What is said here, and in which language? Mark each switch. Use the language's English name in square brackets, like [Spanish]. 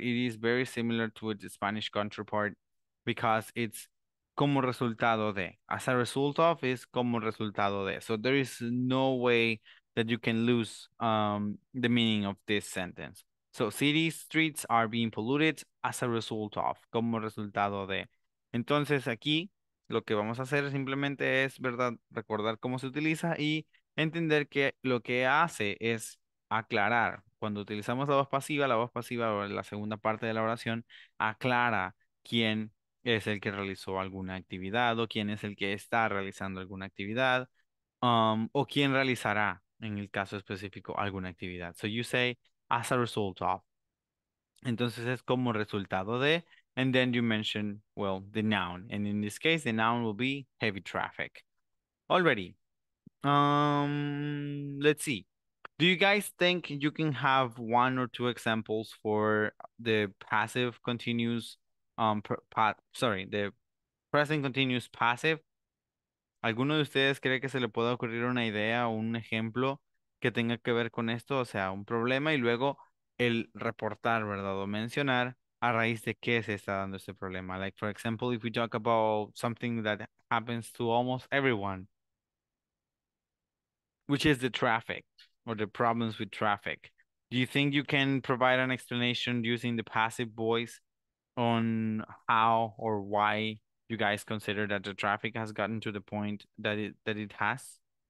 [English] It is very similar to its Spanish counterpart because it's como resultado de. As a result of is como resultado de. So there is no way that you can lose the meaning of this sentence. So cities, streets are being polluted as a result of, como resultado de. [Spanish] Entonces aquí lo que vamos a hacer simplemente es, ¿verdad?, recordar cómo se utiliza y entender que lo que hace es aclarar. Cuando utilizamos la voz pasiva o la segunda parte de la oración aclara quién es el que realizó alguna actividad o quién es el que está realizando alguna actividad o quién realizará en el caso específico alguna actividad. [English] So you say as a result of. Entonces es como resultado de, and then you mention, well, the noun. And in this case, the noun will be heavy traffic. Already. Let's see. Do you guys think you can have one or two examples for the passive continuous, the present continuous passive? [Spanish] ¿Alguno de ustedes cree que se le pueda ocurrir una idea o un ejemplo que tenga que ver con esto? O sea, un problema y luego el reportar, ¿verdad? O mencionar a raíz de qué se está dando este problema. [English] Like, for example, if we talk about something that happens to almost everyone, which is the traffic. Or the problems with traffic. Do you think you can provide an explanation using the passive voice on how or why you guys consider that the traffic has gotten to the point that it has?